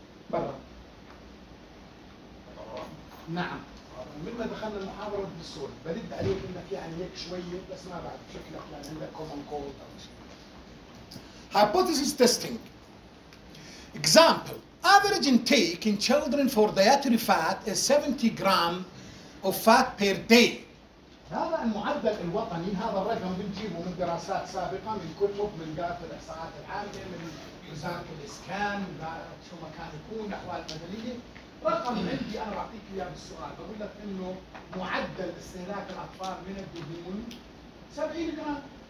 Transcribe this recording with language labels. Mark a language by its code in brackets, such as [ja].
[ar] برا. نعم، من ما دخلنا المحاضرة بالصوت بدد عليك انك يعني هيك شوية بس ما بعد شكلك يعني عندك [en] common cold hypothesis testing example. Average intake in children for dietary fat is 70 grams of fat per day. [ar] هذا المعدل الوطني، هذا الرقم بنجيبه من دراسات سابقة، من كتب، من قاعدة الإحصاءات العامة، من وزارة الإسكان، شو ما كان يكون أحوال مدنية. رقم عندي أنا بعطيك إياه بالسؤال، بقول لك إنه معدل استهلاك الأطفال من الدهون 70 جرام.